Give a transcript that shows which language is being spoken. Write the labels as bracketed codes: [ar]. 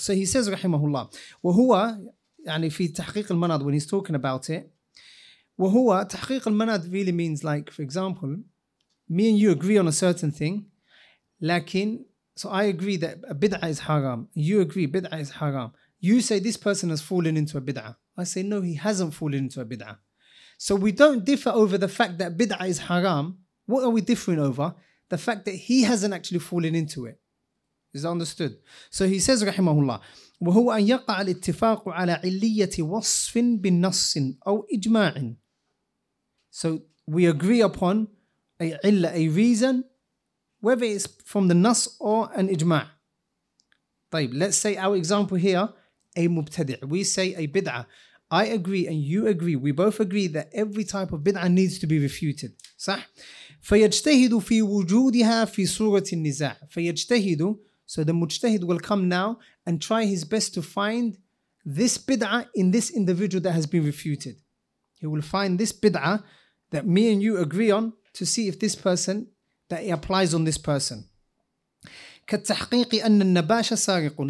[en] So he says, rahimahullah, [ar] wa huwa, yani fi tahqiq al-manad, [en] when he's talking about it, wa huwa, tahqiq al-manad really means, like, for example, me and you agree on a certain thing, lakin, so I agree that a bid'ah is haram, you agree bid'ah is haram, you say this person has fallen into a bid'ah, I say no, he hasn't fallen into a bid'ah. So we don't differ over the fact that bid'ah is haram. What are we differing over? The fact that he hasn't actually fallen into it. Is understood. So he says, [ar] rahimahullah, وهو أن يقع الاتفاق على علية وصف بالنص أو إجماع. [en] So we agree upon a illa, a reason, whether it's from the nas or an إجماع. طيب, let's say our example here, a مبتدع. We say a bid'ah. I agree and you agree. We both agree that every type of bid'ah needs to be refuted. صح? [ar] فيجتهد في وجودها في صورة النزاع. فيجتهد. [en] So the mujtahid will come now and try his best to find this bid'ah in this individual that has been refuted. He will find this bid'ah that me and you agree on to see if this person, that it applies on this person. [ar] كَالتَّحْقِيقِ أَنَّ النَّبَاشَ سَارِقٌ.